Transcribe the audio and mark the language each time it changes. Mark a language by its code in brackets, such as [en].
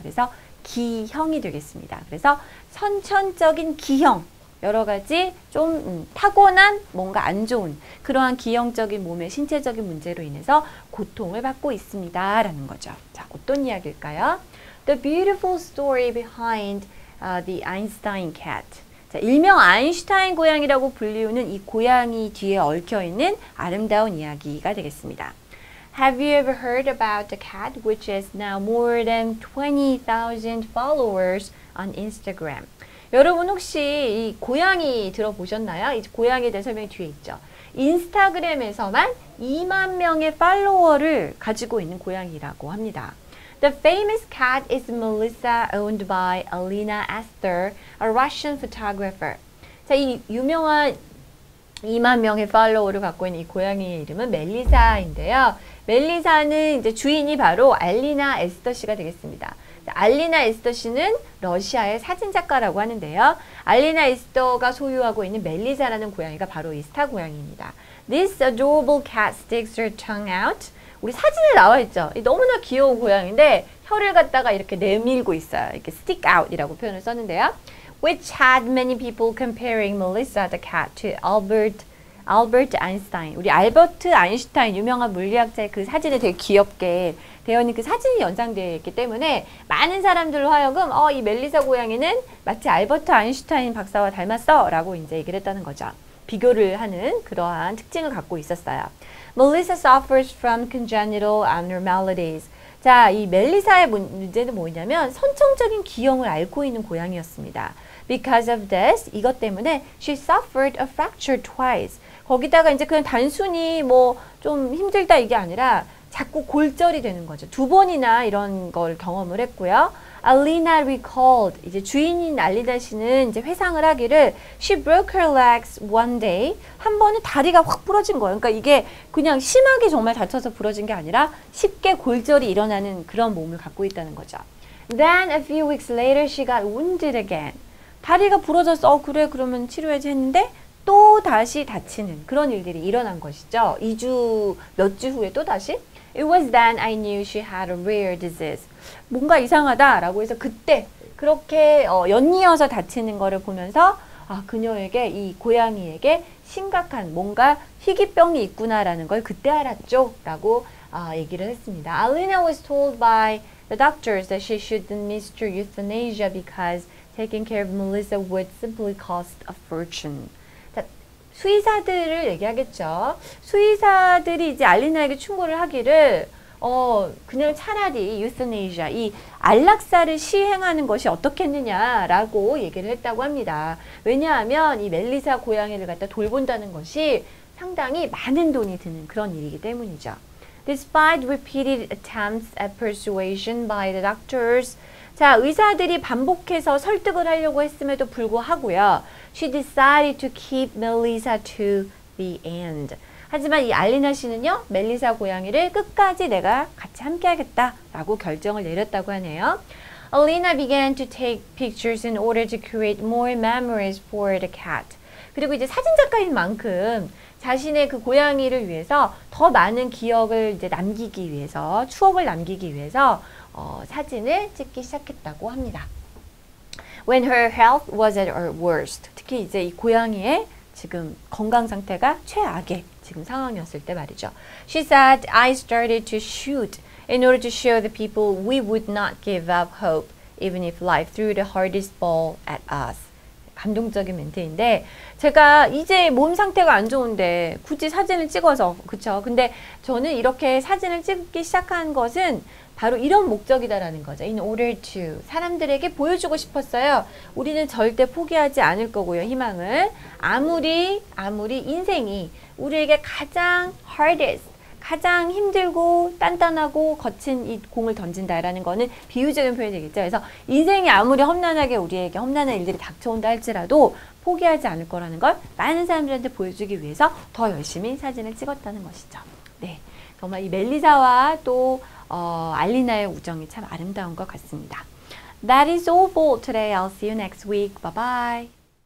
[ko] 그래서 기형이 되겠습니다. 그래서 선천적인 기형, 여러 가지 좀 타고난 뭔가 안 좋은 그러한 기형적인 몸의 신체적인 문제로 인해서 고통을 받고 있습니다. 라는 거죠. 자, 어떤 이야기일까요? [en] The beautiful story behind the Einstein cat. [ko] 자, 일명 아인슈타인 고양이라고 불리우는 이 고양이 뒤에 얽혀있는 아름다운 이야기가 되겠습니다. [en] Have you ever heard about the cat which has now more than 20,000 followers on Instagram? [ko] 여러분 혹시 이 고양이 들어보셨나요? 이 고양이에 대한 설명이 뒤에 있죠. 인스타그램에서만 2만 명의 팔로워를 가지고 있는 고양이라고 합니다. [en] The famous cat is Melissa, owned by Alina Esther, a Russian photographer. [ko] 자, 이 유명한 2만 명의 팔로워를 갖고 있는 이 고양이의 이름은 멜리사인데요. 멜리사는 이제 주인이 바로 알리나 에스터 씨가 되겠습니다. 자, 알리나 에스터 씨는 러시아의 사진작가라고 하는데요. 알리나 에스터가 소유하고 있는 멜리사라는 고양이가 바로 이 스타 고양이입니다. [en] This adorable cat sticks her tongue out. [ko] 우리 사진에 나와 있죠. 너무나 귀여운 고양인데 혀를 갖다가 이렇게 내밀고 있어요. 이렇게 stick out이라고 표현을 썼는데요. [en] Which had many people comparing Melissa the cat to Albert Einstein. [ko] 우리 알버트 아인슈타인 유명한 물리학자의 그 사진에 되게 귀엽게 되어 있는 그 사진이 연상되어 있기 때문에 많은 사람들로 하여금 이 멜리사 고양이는 마치 알버트 아인슈타인 박사와 닮았어라고 이제 얘기를 했다는 거죠. 비교를 하는 그러한 특징을 갖고 있었어요. [en] Melissa suffers from congenital abnormalities. [ko] 자, 이 멜리사의 문제는 뭐냐면 선천적인 기형을 앓고 있는 고양이였습니다. [en] Because of this, [ko] 이것 때문에 [en] she suffered a fracture twice. [ko] 거기다가 이제 그냥 단순히 뭐 좀 힘들다 이게 아니라 자꾸 골절이 되는 거죠. 두 번이나 이런 걸 경험을 했고요. [en] Alina recalled, [ko] 이제 주인인 알리나 씨는 이제 회상을 하기를 [en] She broke her legs one day. [ko] 한 번에 다리가 확 부러진 거예요. 그러니까 이게 그냥 심하게 정말 다쳐서 부러진 게 아니라 쉽게 골절이 일어나는 그런 몸을 갖고 있다는 거죠. [en] Then a few weeks later she got wounded again. [ko] 다리가 부러졌어. 그래 그러면 치료해야지 했는데 또 다시 다치는 그런 일들이 일어난 것이죠. 2주, 몇 주 후에 또 다시? [en] It was then I knew she had a rare disease. [ko] 뭔가 이상하다라고 해서 그때 그렇게 연이어서 다치는 거를 보면서 아, 그녀에게 이 고양이에게 심각한 뭔가 희귀병이 있구나라는 걸 그때 알았죠. 라고 얘기를 했습니다. [en] Alina was told by the doctors that she should administer euthanasia because taking care of Melissa would simply cost a fortune. [ko] 수의사들을 얘기하겠죠. 수의사들이 이제 알리나에게 충고를 하기를 그냥 차라리 유스네이자 이 안락사를 시행하는 것이 어떻겠느냐라고 얘기를 했다고 합니다. 왜냐하면 이 멜리사 고양이를 갖다 돌본다는 것이 상당히 많은 돈이 드는 그런 일이기 때문이죠. [en] Despite repeated attempts at persuasion by the doctors, [ko] 자, 의사들이 반복해서 설득을 하려고 했음에도 불구하고요. [en] She decided to keep Melissa to the end. [ko] 하지만 이 알리나 씨는요, 멜리사 고양이를 끝까지 내가 같이 함께 하겠다라고 결정을 내렸다고 하네요. [en] Alina began to take pictures in order to create more memories for the cat. [ko] 그리고 이제 사진작가인 만큼 자신의 그 고양이를 위해서 더 많은 기억을 이제 남기기 위해서, 추억을 남기기 위해서 사진을 찍기 시작했다고 합니다. [en] When her health was at her worst. [ko] 특히 이제 이 고양이의 지금 건강 상태가 최악의 지금 상황이었을 때 말이죠. [en] She said, I started to shoot in order to show the people we would not give up hope even if life threw the hardest ball at us. [ko] 감동적인 멘트인데 제가 이제 몸 상태가 안 좋은데 굳이 사진을 찍어서 그렇죠. 근데 저는 이렇게 사진을 찍기 시작한 것은 바로 이런 목적이다라는 거죠. [en] In order to [ko] 사람들에게 보여주고 싶었어요. 우리는 절대 포기하지 않을 거고요. 희망을 아무리 인생이 우리에게 가장 hardest 가장 힘들고 단단하고 거친 이 공을 던진다라는 거는 비유적인 표현이 되겠죠. 그래서 인생이 아무리 험난하게 우리에게 험난한 일들이 닥쳐온다 할지라도 포기하지 않을 거라는 걸 많은 사람들한테 보여주기 위해서 더 열심히 사진을 찍었다는 것이죠. 네, 정말 이 멜리사와 또 알리나의 우정이 참 아름다운 것 같습니다. [en] That is all for today. I'll see you next week. Bye bye.